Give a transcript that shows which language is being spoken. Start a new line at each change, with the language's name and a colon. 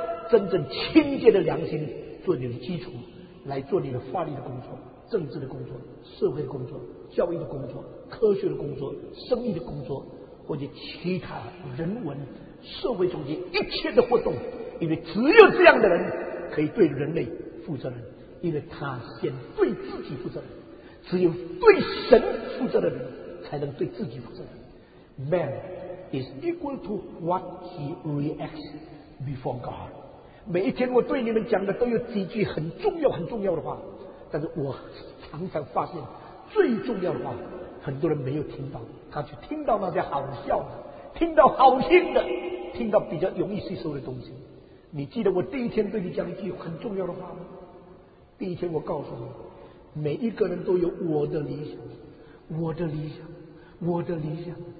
Chinese: 真正清洁的良心做你的基础，来做你的法律的工作、政治的工作、社会的工作、教育的工作、科学的工作、生意的工作，或者其他人文社会中间一切的活动。因为只有这样的人可以对人类负责任，因为他先对自己负责任。只有对神负责的人才能对自己负责任。
English: Man is equal to what he reacts before God。
Chinese: 每一天我对你们讲的都有几句很重要很重要的话，但是我常常发现最重要的话很多人没有听到，他去听到那些好笑的，听到好听的，听到比较容易吸收的东西。你记得我第一天对你讲一句很重要的话吗？第一天我告诉你，每一个人都有我的理想，我的理想，我的理想。